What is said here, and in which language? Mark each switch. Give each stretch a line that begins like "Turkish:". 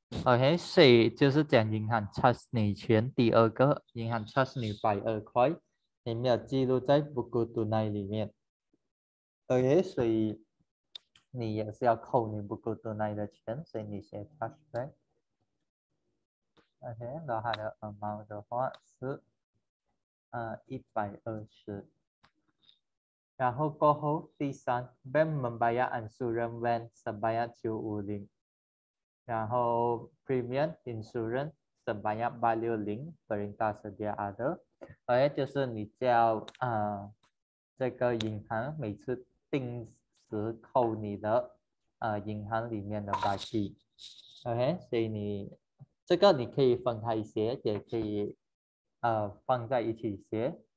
Chinese: OK，所以就是讲银行 charge 你钱，第二个银行 charge 你120块，你没有记录在 buku tunai 里面。 OK，所以你也是要扣你 buku tunai 的钱，所以你写 charge bank。 OK，然后它的 amount 的话是120。然后过后，第三，
Malay: bank membayar ansuran van sebanyak 950，然后 premium insurance sebanyak 860 perintah sedia ada。
Chinese: OK，就是你叫这个银行每次定时扣你的银行里面的利息。 OK，所以你这个你可以分开写，也可以放在一起写。